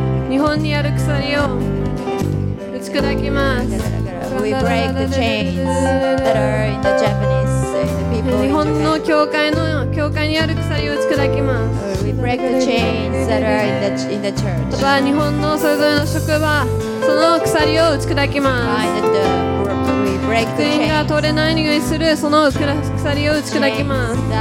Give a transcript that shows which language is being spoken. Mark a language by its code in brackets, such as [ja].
[ja] 日本にある鎖を打ち砕きます。 [en] We break the chains that are in the Japanese. The people [ja] 日本の教会にある鎖を打ち砕きます。 [en] We break the chains that are in the church. [ja] 日本のそれぞれの職場、その鎖を打ち砕きます。福音が通れないようにするその鎖を打ち砕きます。